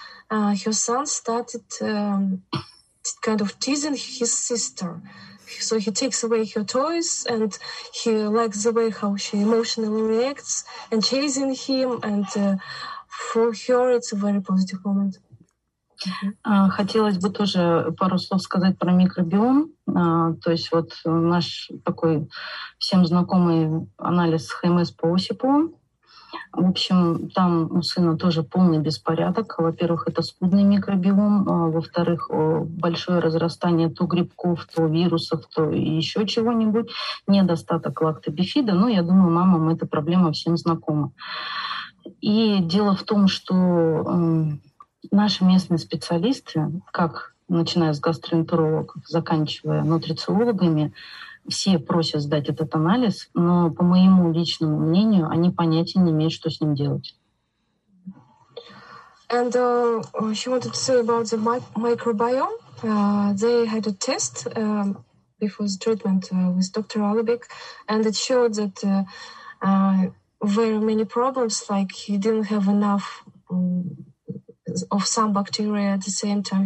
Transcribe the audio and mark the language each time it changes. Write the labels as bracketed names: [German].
[English] Her son started kind of teasing his sister. So he takes away her toys and he likes the way how she emotionally reacts and chasing him. And for her, it's a very positive moment. [Russian] Хотелось бы тоже пару слов сказать про микробиом. То есть вот наш такой всем знакомый анализ ХМС по Осипу. В общем, там у сына тоже полный беспорядок. Во-первых, это скудный микробиом. Во-вторых, большое разрастание то грибков, то вирусов, то еще чего-нибудь. Недостаток лактобифида. Но я думаю, мамам эта проблема всем знакома. И дело в том, что... Наши местные специалисты, как начиная с гастроэнтерологов, заканчивая нутрициологами, все просят сдать этот анализ, но по моему личному мнению, они понятия не имеют, что с ним делать. [English] And she wanted to say about the microbiome. They had a test before the treatment with Dr. Alibek, and it showed that very many problems, like he didn't have enough of some bacteria at the same time.